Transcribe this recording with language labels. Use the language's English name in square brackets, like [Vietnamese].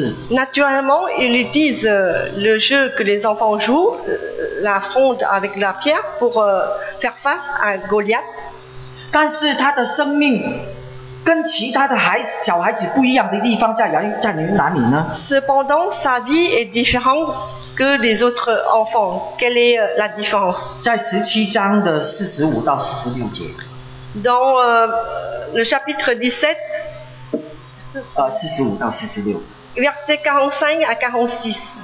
[French] Naturellement, il utilise le jeu que les enfants jouent, la fronde avec la pierre, pour faire face à Goliath. [Chinese] 但是他的生命跟其他的孩子小孩子不一样的地方在哪里呢？ [French] Cependant, sa vie est différente que les autres enfants. Quelle est la différence? [Chinese] 在17章的45到46节。 [French] Dans le chapitre 17, [Chinese] 45到46, [French] verset 45 à 46.